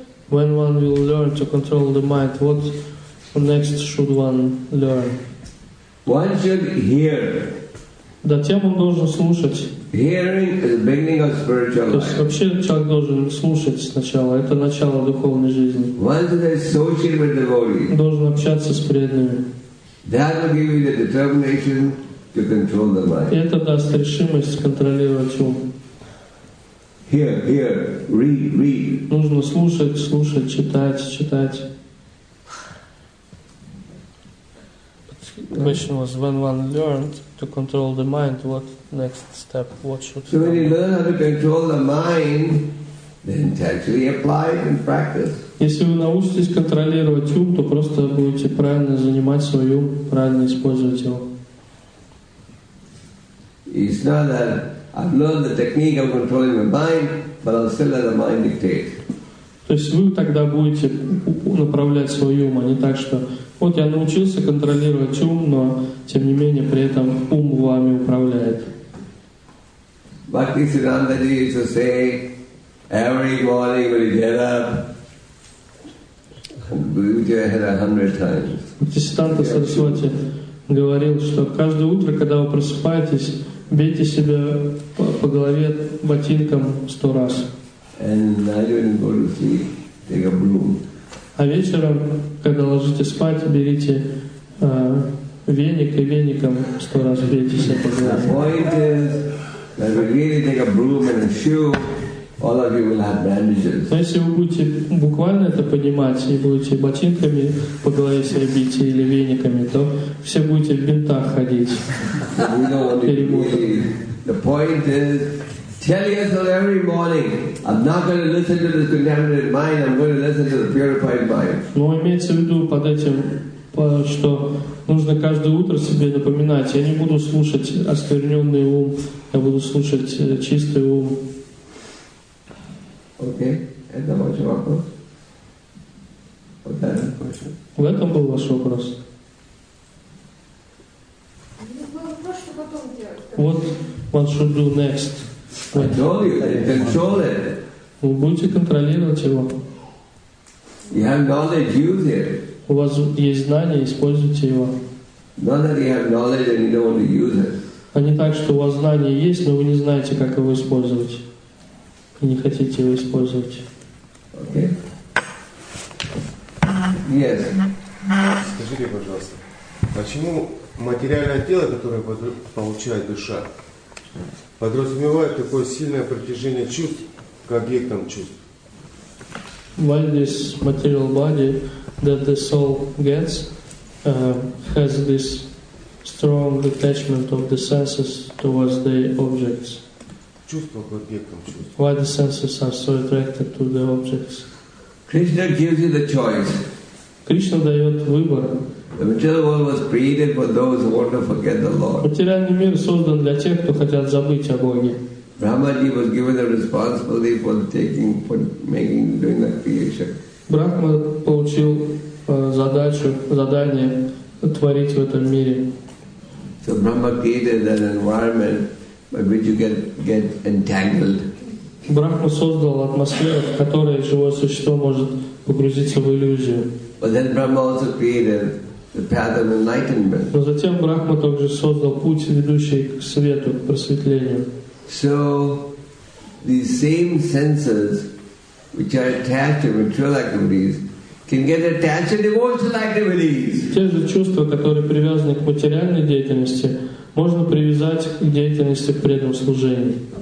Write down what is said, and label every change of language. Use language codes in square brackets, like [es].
[en] When one will learn to control the mind, what next should one learn? One should hear. [ru] Затем он должен слушать. [en] Hearing is the beginning of spiritual life. [ru] То есть вообще человек должен слушать сначала. Это начало духовной жизни. [en] Once they associate with devotees, [ru] должен общаться с преданными. [en] That will give you the determination to control the mind. [ru] И это даст решимость контролировать ум. [en] Hear, read. [ru] Нужно слушать, читать. [en] The question was, when one learned to control the mind, what next step, what should happen? So when you learn how to control the mind, then to actually apply it and practice. [ru] Если вы научитесь контролировать ум, то просто будете правильно занимать свой ум, правильно использовать его. [en] It's not that I've learned the technique of controlling the mind, but I'll still let the mind dictate. [ru] То есть вы тогда будете направлять свой ум, а не так, что вот я научился контролировать ум, но тем не менее при этом ум вами управляет. [en] Bhaktisiddhanta ji used to say, every morning when you get up, bow your head 100 times. [ru] Bhaktisiddhanta Saraswati говорил, что каждое утро, когда вы просыпаетесь, бейте себя по голове ботинком 100 раз. [en] And I didn't go to sleep, take a broom. [ru] А вечером, когда ложитесь спать, берите веник и веником 100 раз бейте себя по голове. [en] The point is that if you really take a broom and a shoe, all of you will have bandages. [ru] Но если вы будете буквально это понимать и будете ботинками по голове себе бить или вениками, то все будете в бинтах ходить. [en] The point is, tell yourself every morning, I'm not going to listen to this contaminated mind. I'm going to listen to the purified mind. [ru] Но имеется в виду под этим, что нужно каждое утро себе напоминать. Я не буду слушать оскверненный ум. Я буду слушать чистый ум. Okay. Это ваш вопрос? Вот этот вопрос. В этом был ваш вопрос. [en] What one should do next? I told you that you control it. [ru] Вы будете контролировать его. [en] You have knowledge, use it. [ru] У вас есть знания, используйте его. [en] Not that you have knowledge and you don't want to use it. [ru] А не так, что у вас знания есть, но вы не знаете, как его использовать. И не хотите его использовать. [en] Okay. Yes. [ru] Скажите, пожалуйста, почему материальное тело, которое получает душа, подразумевает такое сильное притяжение чувств к объектам чувств? [en] Why this material body that the soul gets has this strong attachment of the senses towards the objects? [ru] Чувства к объектам чувств. [en] Why the senses are so attracted to the objects? Krishna gives you the choice. [ru] Кришна дает выбор. [en] The material world was created for those who want to forget the Lord. [ru] Материальный мир создан для тех, кто хотят забыть о Боге. [en] Brahmaji was given the responsibility for doing the creation. [ru] Брахма получил задание творить в этом мире. [en] So Brahma created an environment by which you get entangled. [ru] Брахма создал атмосферу, в которой живое существо может погрузиться в иллюзию. [en] But then Brahma also created the path of enlightenment. [ru] Но затем Брахма также создал путь, ведущий к свету, к просветлению. [en] So these same senses, which are attached to material activities, can get attached to devotional activities. [ru] Те же чувства, которые привязаны к материальной деятельности, можно привязать к деятельности в преданном служении.